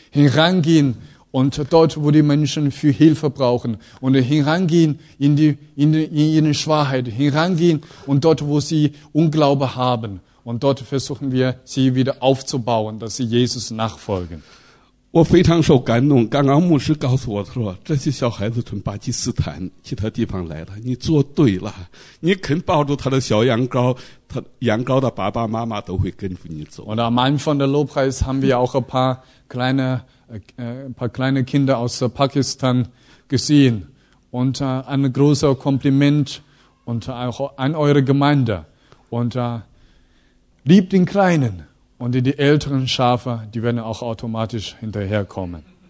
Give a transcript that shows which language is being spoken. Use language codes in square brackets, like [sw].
[de] Herangehen und dort, wo die Menschen für Hilfe brauchen. Und herangehen in die Schwachheit. Herangehen und dort, wo sie Unglaube haben. Und dort versuchen wir, sie wieder aufzubauen, dass sie Jesus nachfolgen. [zh] 我非常受感动。刚刚牧师告诉我说，这些小孩子从巴基斯坦其他地方来的，你做对了。你肯抱住他的小羊羔，他羊羔的爸爸妈妈都会跟着你走。 [de] Und am Anfang der Lobpreis haben wir auch ein paar kleine Kinder aus Pakistan gesehen und ein großer Kompliment und auch an eure Gemeinde und liebt den Kleinen und die älteren Schafe, die werden auch automatisch hinterherkommen.